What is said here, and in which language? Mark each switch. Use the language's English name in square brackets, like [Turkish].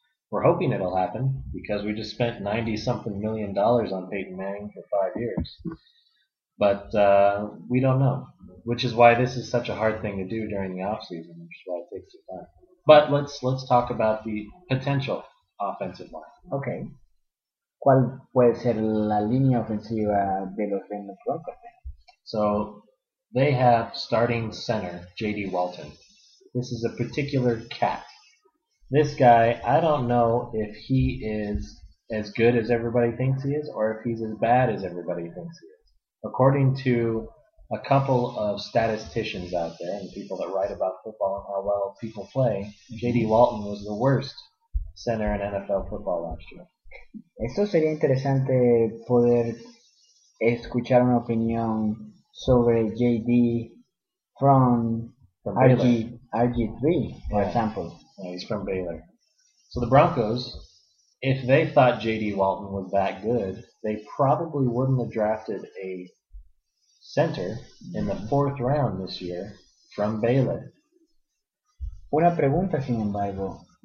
[English] We're hoping it'll happen because we just spent $90-something million on Peyton Manning for 5 years. But we don't know, which is why this is such a hard thing to do during the offseason, which is why it takes some time. But let's talk about the potential offensive line. Okay. [Spanish] ¿Cuál puede ser la línea ofensiva de los Denver Broncos? [English] So, they have starting center J.D. Walton. This is a particular cat. This guy, I don't know if he is as good as everybody thinks he is or if he's as bad as everybody thinks he is. According to a couple of statisticians out there and people that write about football and how well people play, J.D. Walton was the worst center in NFL football last year. [Spanish] Esto sería interesante poder escuchar una opinión sobre JD [English] from RG3, for example. Yeah, he's from Baylor. So the Broncos, if they thought JD Walton was that good, they probably wouldn't have drafted a center in the fourth round this year from Baylor. [Spanish] Una pregunta, sin embargo.